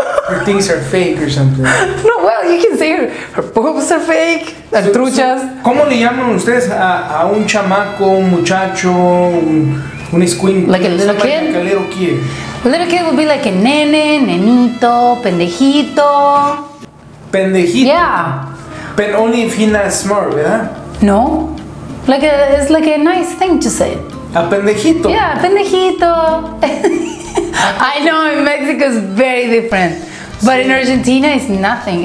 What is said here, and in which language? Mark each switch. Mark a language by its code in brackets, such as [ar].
[en] Her things are fake or something. No, well, you can say her boobs are fake, her truchas. So, [es] ¿cómo le llaman ustedes a un chamaco, un muchacho, un squint? [en] Like a little kid? Like a little kid. A little kid would be like a nene, nenito, pendejito. Pendejito? Yeah. But only if he's not smart, ¿verdad? No. Like a, it's like a nice thing to say. A pendejito. Yeah, pendejito. I know in Mexico it's very different. But sí. In Argentina it's nothing.